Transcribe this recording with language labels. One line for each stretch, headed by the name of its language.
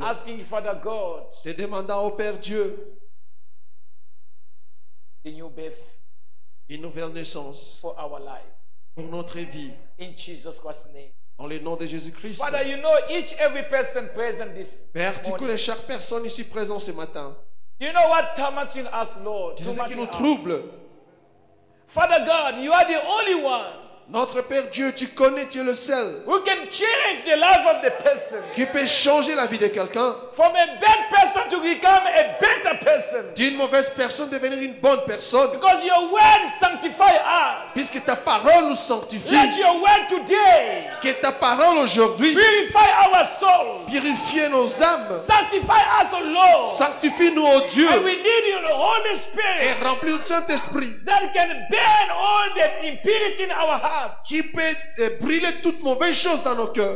English: And asking Father God,
French: te demandant au Père Dieu,
English: the new birth,
French: une nouvelle naissance,
English: for our life,
French: pour notre vie,
English: in Jesus Christ's name,
French: dans le nom de Jésus-Christ.
English: Father, you know each every person present this
French: Père,
English: morning.
French: Tu connais chaque personne ici présente ce matin.
English: You know what tormenting us, Lord?
French: Tu sais ce qui nous trouble.
English: Father God, you are the only one.
French: Notre Père Dieu, tu connais, tu es le seul.
English: Who can change the life of the person?
French: Qui peut changer la vie de quelqu'un?
English: From a bad person to become a better person.
French: D'une mauvaise personne devenir une bonne personne.
English: Because your word sanctifies us.
French: Puisque ta parole nous sanctifie.
English: Let your word today.
French: Que ta parole aujourd'hui.
English: Purify our soul.
French: Purifie nos âmes.
English: Sanctify us, O Lord.
French: Sanctifie-nous, ô Dieu.
English: And we need your Holy Spirit.
French: Et remplis-nous du Saint-Esprit.
English: That can burn all the impurity in our hearts.
French: Qui peut brûler toute mauvaise chose dans nos cœurs.